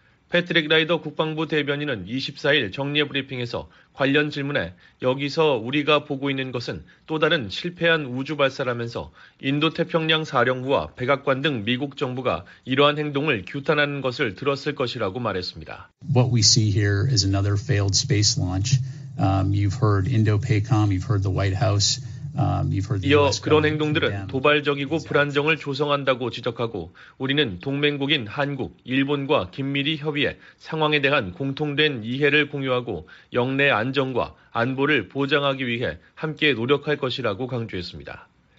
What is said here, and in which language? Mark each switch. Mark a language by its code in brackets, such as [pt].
[ko] 패트릭 라이더 국방부 대변인은 24일 정례 브리핑에서 관련 질문에 여기서 우리가 보고 있는 것은 또 다른 실패한 우주발사라면서 인도태평양 사령부와 백악관 등 미국 정부가 이러한 행동을 규탄하는 것을 들었을 것이라고 말했습니다. [en] What we see here is another failed space launch. You've heard Indo-PACOM, you've heard the White House. [ko] 이어 그런 행동들은 도발적이고 불안정을 조성한다고 지적하고 우리는 동맹국인 한국, 일본과 긴밀히 협의해 상황에 대한 공통된 이해를 공유하고 영내 안정과 안보를 보장하기 위해 함께 노력할 것이라고 강조했습니다.